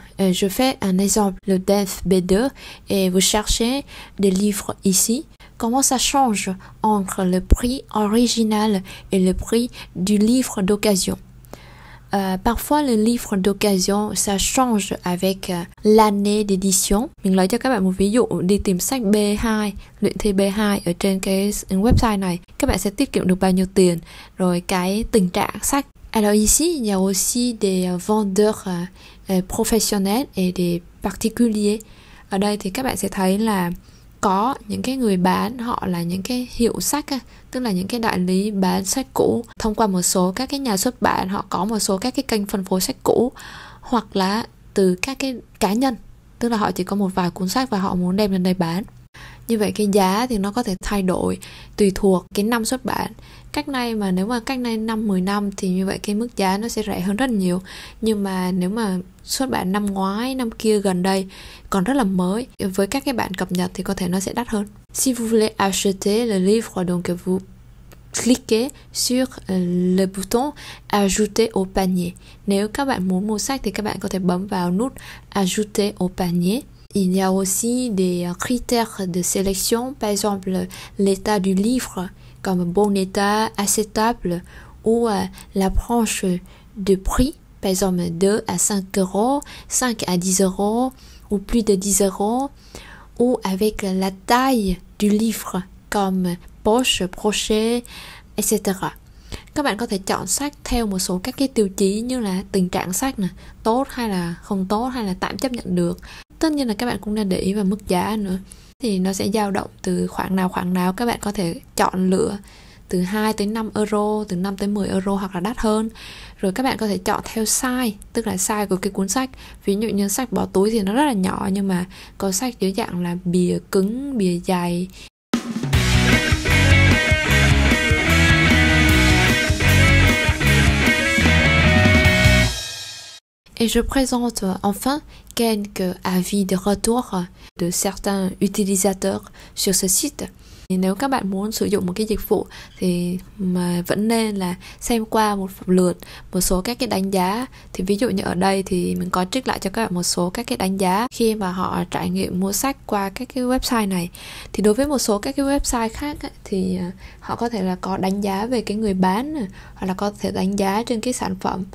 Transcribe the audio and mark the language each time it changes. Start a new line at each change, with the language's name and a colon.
French: Je fais un exemple, le DEF B2, et vous cherchez des livres ici. Comment ça change entre le prix original et le prix du livre d'occasion? Parfois, le livre d'occasion, ça change avec l'année d'édition.
Vietnamese: Mình nói cho các bạn một ví dụ, đi tìm sách B2, luyện thi B2 ở trên cái website này, các bạn sẽ tiết kiệm được bao nhiêu tiền, rồi cái tình trạng sách.
French: Alors ici, il y a aussi des vendeurs professionnels et des particuliers.
Vietnamese: Ở đây thì các bạn sẽ thấy là có những cái người bán, họ là những cái hiệu sách, tức là những cái đại lý bán sách cũ thông qua một số các cái nhà xuất bản, họ có một số các cái kênh phân phối sách cũ, hoặc là từ các cái cá nhân, tức là họ chỉ có một vài cuốn sách và họ muốn đem lên đây bán. Như vậy cái giá thì nó có thể thay đổi tùy thuộc cái năm xuất bản. Cách nay mà nếu mà cách nay 5-10 năm thì như vậy cái mức giá nó sẽ rẻ hơn rất nhiều. Nhưng mà nếu mà xuất bản năm ngoái, năm kia gần đây còn rất là mới, với các cái bản cập nhật thì có thể nó sẽ đắt hơn.
French: Si vous voulez acheter le livre, donc vous cliquez sur le bouton ajouter au panier.
Vietnamese: Nếu các bạn muốn mua sách thì các bạn có thể bấm vào nút ajouter au panier.
French: Il y a aussi des critères de sélection, par exemple l'état du livre, comme bon état, acceptable, ou la tranche de prix, par exemple 2 à 5 euros, 5 à 10 euros, ou plus de 10 euros, ou avec la taille du livre, comme poche, brochet, etc.
Vietnamese: Các bạn có thể chọn sách theo một số các cái tiêu chí như là tình trạng sách này, tốt hay là không tốt hay là tạm chấp nhận được. Tất nhiên là các bạn cũng nên để ý vào mức giá nữa. Thì nó sẽ dao động từ khoảng nào các bạn có thể chọn lựa từ 2 tới 5 euro, từ 5 tới 10 euro hoặc là đắt hơn. Rồi các bạn có thể chọn theo size, tức là size của cái cuốn sách. Ví dụ như sách bỏ túi thì nó rất là nhỏ, nhưng mà có sách dưới dạng là bìa cứng, bìa dày.
French: Et je présente enfin quelques avis de retour de certains utilisateurs sur ce site.
Vietnamese: Et nếu các bạn muốn sử dụng một cái dịch vụ thì mà vẫn nên là xem qua một lượt một số các cái đánh giá. Thì ví dụ như ở đây thì mình có trích lại cho các bạn một số các cái đánh giá khi mà họ trải nghiệm mua sách qua các cái website này. Thì đối với một số các cái website khác thì họ có thể là có đánh giá về cái người bán, hoặc là có thể đánh giá trên cái sản phẩm.